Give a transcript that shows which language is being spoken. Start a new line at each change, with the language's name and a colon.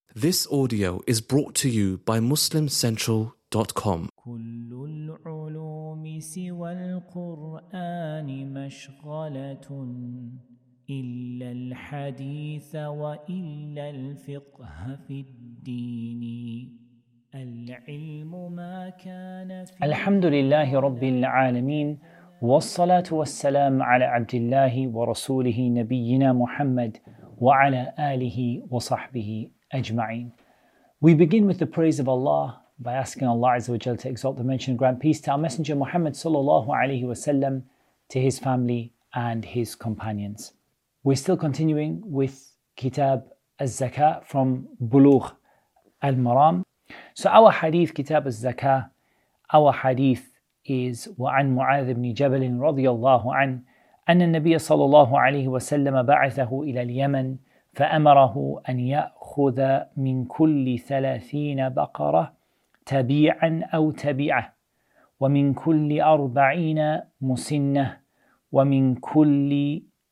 English: This audio is brought to you by MuslimCentral.com.
Arabic: كل العلوم سوى القرآن مشغلة إلا الحديث وإلا الفقه في الدين العلم ما كان في الحمد لله رب العالمين والصلاة والسلام على عبد الله ورسوله نبينا محمد وعلى آله وصحبه أجمعين.
English: We begin with the praise of Allah by asking Allah Azza wa Jalla to exalt the mention and grant peace to our Messenger Muhammad sallallahu alaihi wasallam, to his family and his companions. We're still continuing with Kitab al-Zakah from Bulugh al-Maram. So our hadith, Kitab al-Zakah, our hadith is
Arabic: وَعَنْ مُعَاذِ بْنِ جَبَلٍ رَضِيَ اللَّهُ عَنْهُ أَنَّ النَّبِيَ صَلَى اللَّهُ عَلَيْهِ وَسَلَّمَ بَعَثَهُ إِلَى الْيَمَنِ فَأَمَرَهُ أَنْ يَأْخُذَ مِنْ كُلِّ 30 بَقَرَةً تَبِيعًا أَوْ تَبِيعَةً وَمِنْ كُلِّ 40 مُسِنَّةً وَمِنْ كُلِّ